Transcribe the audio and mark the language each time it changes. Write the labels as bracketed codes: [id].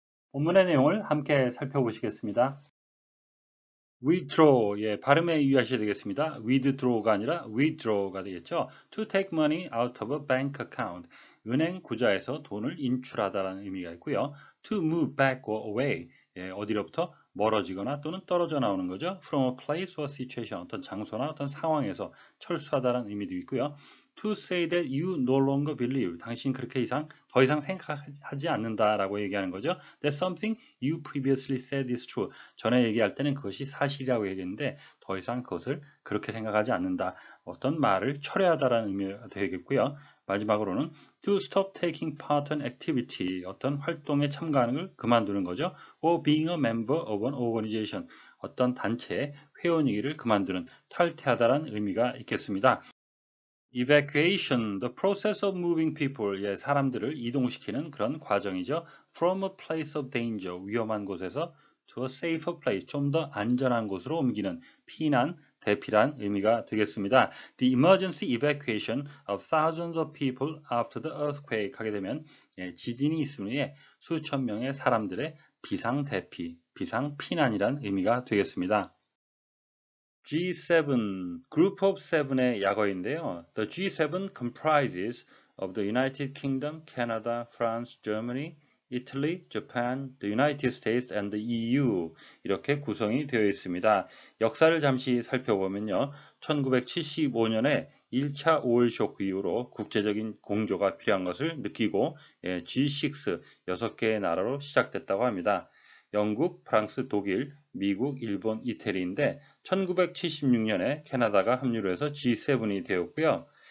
[ko] 본문의 내용을 함께 살펴보시겠습니다. withdraw, 예, 발음에 유의하셔야 되겠습니다. withdraw가 아니라 withdraw가 되겠죠. [en] to take money out of a bank account. [ko] 은행 구좌에서 돈을 인출하다라는 의미가 있고요. [en] to move back or away. [ko] 예, 어디로부터 멀어지거나 또는 떨어져 나오는 거죠. [en] from a place or situation. [ko] 어떤 장소나 어떤 상황에서 철수하다라는 의미도 있고요. [en] to say that you no longer believe. [ko] 당신 그렇게 이상, 더 이상 생각하지 않는다라고 얘기하는 거죠. [en] That something you previously said is true. [ko] 전에 얘기할 때는 그것이 사실이라고 얘기했는데, 더 이상 그것을 그렇게 생각하지 않는다. 어떤 말을 철회하다라는 의미가 되겠고요. 마지막으로는 [en] to stop taking part in activity. [ko] 어떤 활동에 참가하는 걸 그만두는 거죠. [en] or being a member of an organization. [ko] 어떤 단체의 회원이기를 그만두는, 탈퇴하다라는 의미가 있겠습니다. [en] evacuation, the process of moving people, [ko] 예, 사람들을 이동시키는 그런 과정이죠. [en] from a place of danger, [ko] 위험한 곳에서 [en] to a safer place, [ko] 좀더 안전한 곳으로 옮기는 피난, 대피란 의미가 되겠습니다. [en] the emergency evacuation of thousands of people after the earthquake [ko] 하게 되면, 예, 지진이 있은 후에 수천 명의 사람들의 비상 대피, 비상 피난이란 의미가 되겠습니다. G7, Group of Seven의 약어인데요. [en] The G7 comprises of the United Kingdom, Canada, France, Germany, Italy, Japan, the United States and the EU [ko] 이렇게 구성이 되어 있습니다. 역사를 잠시 살펴보면요. 1975년에 1차 오일 쇼크 이후로 국제적인 공조가 필요한 것을 느끼고 G6, 6개의 나라로 시작됐다고 합니다. 영국, 프랑스, 독일, 미국, 일본, 이태리인데 1976년에 캐나다가 합류를 해서 G7이 되었고요.